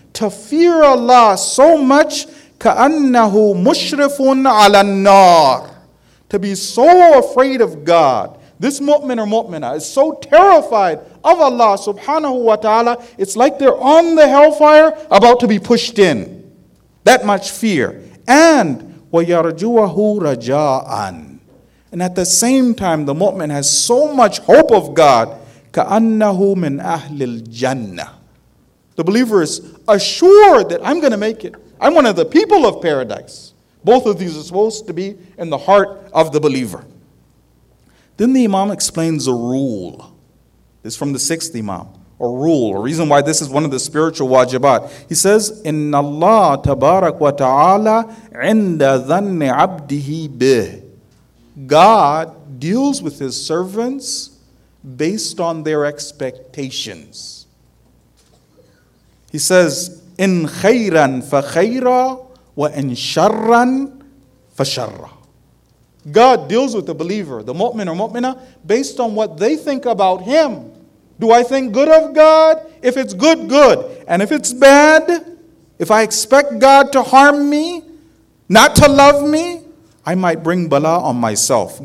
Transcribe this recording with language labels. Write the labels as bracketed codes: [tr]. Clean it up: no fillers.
[en] To fear Allah so much, [ar] كَأَنَّهُ مُشْرِفٌ عَلَى النَّارِ. [en] To be so afraid of God. This mu'min or mu'mina is so terrified of Allah subhanahu wa ta'ala. It's like they're on the hellfire about to be pushed in. That much fear. [ar] And وَيَرْجُوَهُ رَجَاءً. [en] And at the same time, the mu'min has so much hope of God. [ar] كَأَنَّهُ مِنْ أَهْلِ الْجَنَّةِ. [en] The believer is assured that I'm going to make it. I'm one of the people of paradise. Both of these are supposed to be in the heart of the believer. Then the imam explains a rule. This is from the sixth imam. A rule, a reason why this is one of the spiritual wajibat. He says, [ar] إِنَّ اللَّهَ تَبَارَكْ وَتَعَالَىٰ عِنْدَ ذَنِّ عَبْدِهِ بِهِ. [en] God deals with his servants based on their expectations. He says, [ar] إِنْ خَيْرًا فَخَيْرًا وَإِنْ شَرًّا فَشَرًّا. [en] God deals with the believer, the mu'min or mu'mina, based on what they think about him. Do I think good of God? If it's good, good. And if it's bad, if I expect God to harm me, not to love me, I might bring bala on myself.